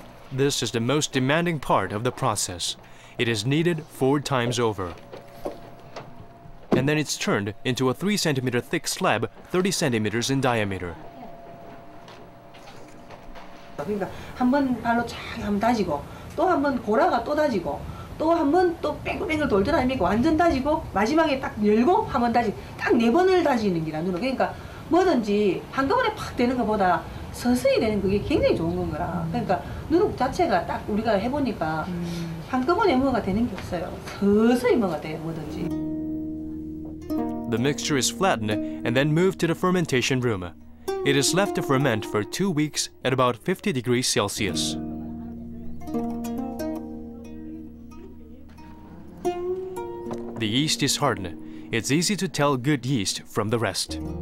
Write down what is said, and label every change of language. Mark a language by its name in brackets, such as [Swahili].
[English] This is the most demanding part of the process. It is kneaded four times over. And then it's turned into a 3 centimeter thick slab, 30 centimeters in diameter. [Korean] 그러니까 한번 발로 쫙 한번 다지고 또 한번 고라가 또 다지고 또 한번 또 뺑글뺑글 돌더라니까 완전 다지고 마지막에 딱 열고 한번 다지 딱 네 번을 다지는 게라 누르. 그러니까 뭐든지 한꺼번에 팍 되는 것보다 서서히 되는 그게 굉장히 좋은 건 거라. 그러니까 누룩 자체가 딱 우리가 해보니까 한꺼번에 뭐가 되는 게 없어요. 서서히 뭐가 돼 뭐든지. [English] The mixture is flattened and then moved to the fermentation room. It is left to ferment for 2 weeks at about 50 degrees Celsius. The yeast is hardened. It's easy to tell good yeast from the rest.